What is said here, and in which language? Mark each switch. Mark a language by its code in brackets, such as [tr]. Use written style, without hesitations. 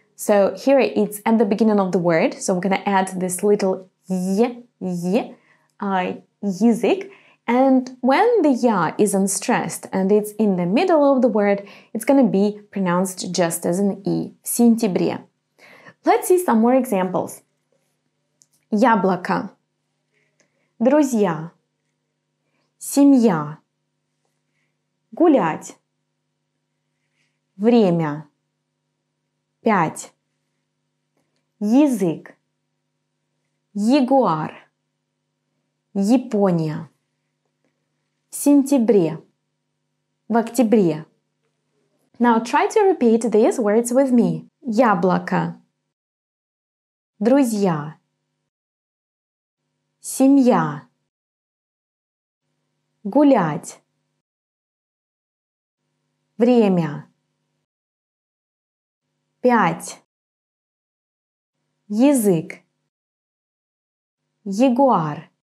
[en] So here it's at the beginning of the word, so we're going to add this little Y, y, язык. And when the ya is unstressed and it's in the middle of the word, it's going to be pronounced just as an e, сентябре. Let's see some more examples. [ru] Яблоко, друзья, семья, гулять, время, пять, язык, ягуар, Япония, в сентябре, в октябре. [en] Now try to repeat these words with me. [ru] Яблоко, друзья, семья, гулять, время, пять, язык, ягуар,